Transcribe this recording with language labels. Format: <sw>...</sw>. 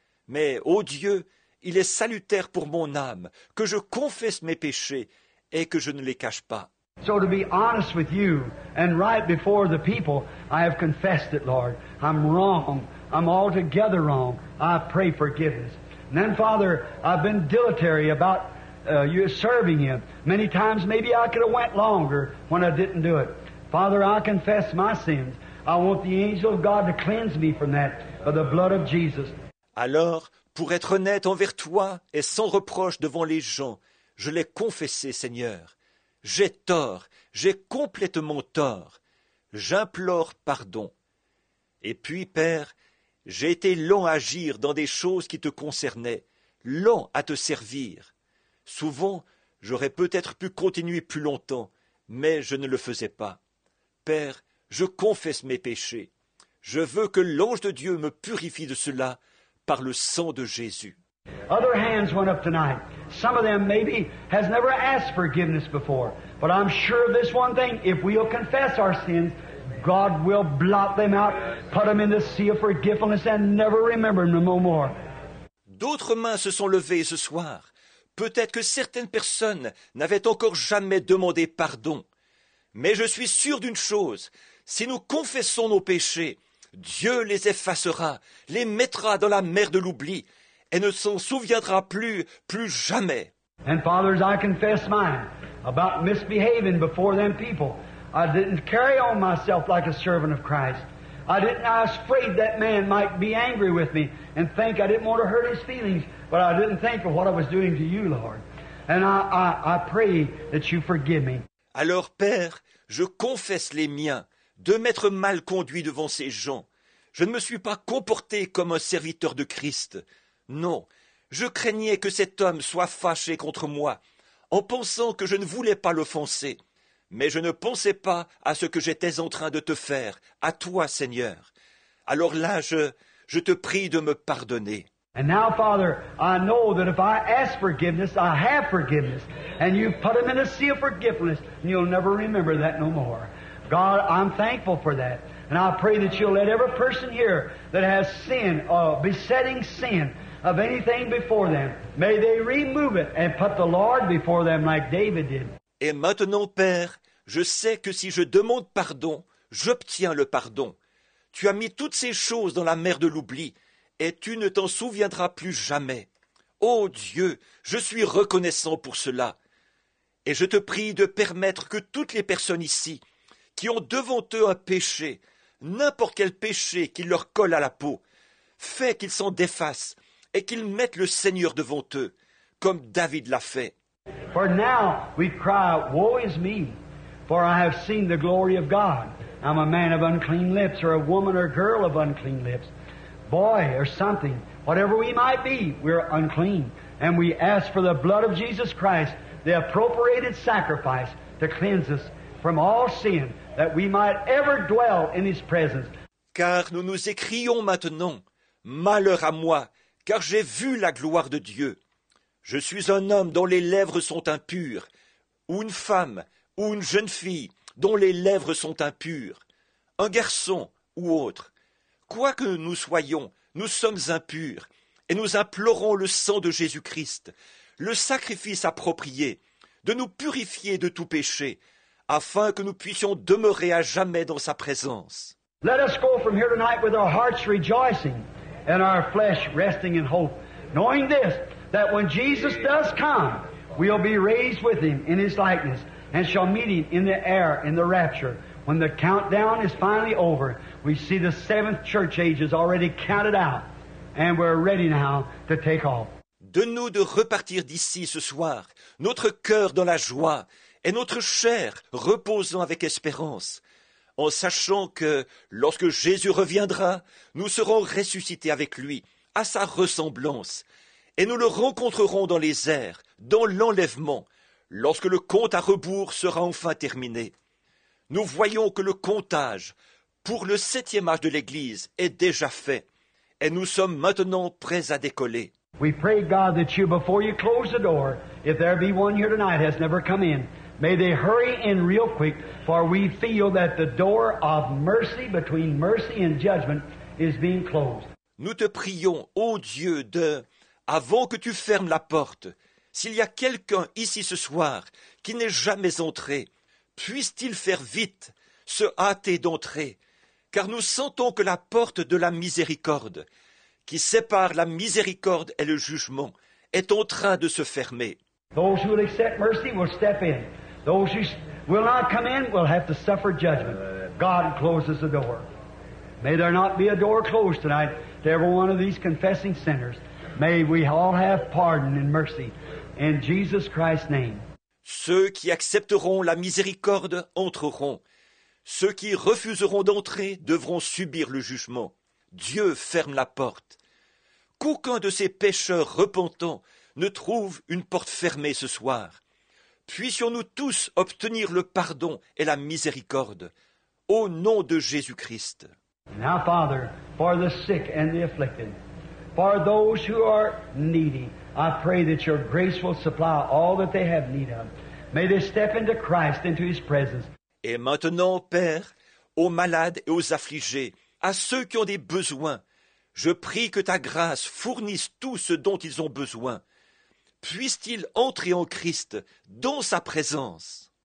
<fr>Mais, ô Dieu, il est salutaire pour mon âme que je confesse mes péchés et que je ne les cache pas.</fr> <en>So to be honest with you, and right before the people, I have confessed it, Lord. I'm wrong. I'm altogether wrong. I pray forgiveness. And then, Father, I've been dilatory about you serving him. Many times, maybe I could have went longer when I didn't do it. Father, I confess my sins. I want the angel of God to cleanse me from that by the blood of Jesus.</en> <fr>Alors, pour être honnête envers toi et sans reproche devant les gens, je l'ai confessé, Seigneur. J'ai tort, j'ai complètement tort. J'implore pardon. Et puis, Père, j'ai été lent à agir dans des choses qui te concernaient, lent à te servir. Souvent, j'aurais peut-être pu continuer plus longtemps, mais je ne le faisais pas. Père, je confesse mes péchés. Je veux que l'ange de Dieu me purifie de cela par le sang de Jésus.</fr> <en>Other hands went up tonight. Some of them maybe has never asked forgiveness before. But I'm sure of this one thing. If we'll confess our sins, God will blot them out, put them in the sea of forgiveness and never remember them no more.</en> <fr>D'autres mains se sont levées ce soir. Peut-être que certaines personnes n'avaient encore jamais demandé pardon. Mais je suis sûr d'une chose. Si nous confessons nos péchés, Dieu les effacera, les mettra dans la mer de l'oubli. Et ne s'en souviendra plus, plus jamais.</fr> <en>And fathers, I confess mine about misbehaving before them people. I didn't carry on myself like a servant of Christ. I was afraid that man might be angry with me and think I didn't want to hurt his feelings, but I didn't think of what I was doing to you, Lord. And I pray that you forgive me.</en> <fr>Alors, Père, je confesse les miens de m'être mal conduit devant ces gens. Je ne me suis pas comporté comme un serviteur de Christ. Non, je craignais que cet homme soit fâché contre moi, en pensant que je ne voulais pas l'offenser, mais je ne pensais pas à ce que j'étais en train de te faire, à toi, Seigneur. Alors là, je te prie de me pardonner.</fr> <en>And now, Father, I know that if I ask forgiveness, I have forgiveness. And you put them in a sea of forgiveness, and you'll never remember that no more. God, I'm thankful for that. And I pray that you'll let every person here that has sin, besetting sin of anything before them, may they remove it and put the Lord before them like David did.</en> <fr>Et maintenant, Père, je sais que si je demande pardon, j'obtiens le pardon. Tu as mis toutes ces choses dans la mer de l'oubli. Et tu ne t'en souviendras plus jamais. Ô Dieu, je suis reconnaissant pour cela. Et je te prie de permettre que toutes les personnes ici, qui ont devant eux un péché, n'importe quel péché qui leur colle à la peau, fais qu'ils s'en défassent et qu'ils mettent le Seigneur devant eux, comme David l'a fait.</fr> <en>For now we cry, woe is me, for I have seen the glory of God. I'm a man of unclean lips, or a woman or girl of unclean lips. Boy or something, whatever we might be, we're unclean. And we ask for the blood of Jesus Christ, the appropriated sacrifice, to cleanse us from all sin, that we might ever dwell in His presence.</en> <fr>Car nous nous écrions maintenant, malheur à moi, car j'ai vu la gloire de Dieu. Je suis un homme dont les lèvres sont impures, ou une femme, ou une jeune fille dont les lèvres sont impures, un garçon ou autre. Quoi que nous soyons, nous sommes impurs, et nous implorons le sang de Jésus-Christ, le sacrifice approprié, de nous purifier de tout péché, afin que nous puissions demeurer à jamais dans sa présence.</fr> <en>Let us go from here tonight with our hearts rejoicing and our flesh resting in hope, knowing this, that when Jesus does come, we'll be raised with him in his likeness and shall meet him in the air in the rapture. When the countdown is finally over, we see the seventh church age is already counted out, and we're ready now to take off.</en> <fr>Donne-nous de repartir d'ici ce soir, notre cœur dans la joie, et notre chair reposant avec espérance, en sachant que lorsque Jésus reviendra, nous serons ressuscités avec lui, à sa ressemblance, et nous le rencontrerons dans les airs, dans l'enlèvement, lorsque le compte à rebours sera enfin terminé. Nous voyons que le comptage pour le septième âge de l'Église est déjà fait, et nous sommes maintenant prêts à décoller.</fr> <en>We pray, God, that you, before you close the door, if there be one here tonight has never come in, may they hurry in real quick, for we feel that the door of mercy, between mercy and judgment, is being closed.</en> <fr>Nous te prions, ô Dieu, de, avant que tu fermes la porte, s'il y a quelqu'un ici ce soir qui n'est jamais entré, puisse-t-il faire vite, se hâter d'entrer, car nous sentons que la porte de la miséricorde, qui sépare la miséricorde et le jugement, est en train de se fermer.</fr> <en>Those who will accept mercy will step in. Those who will not come in will have to suffer judgment. God closes the door. May there not be a door closed tonight to every one of these confessing sinners. May we all have pardon and mercy in Jesus Christ's name.</en> <fr>Ceux qui accepteront la miséricorde entreront. Ceux qui refuseront d'entrer devront subir le jugement. Dieu ferme la porte. Qu'aucun de ces pécheurs repentants ne trouve une porte fermée ce soir. Puissions-nous tous obtenir le pardon et la miséricorde. Au nom de Jésus-Christ.</fr> <en>Now, Father, for the sick and the afflicted, for those who are needy, I pray that your grace will supply all that they have need of. May they step into Christ, into his presence.</en> <fr>Et maintenant, Père, aux malades et aux affligés, à ceux qui ont des besoins, je prie que ta grâce fournisse tout ce dont ils ont besoin. Puissent-ils entrer en Christ, dans sa présence.</fr>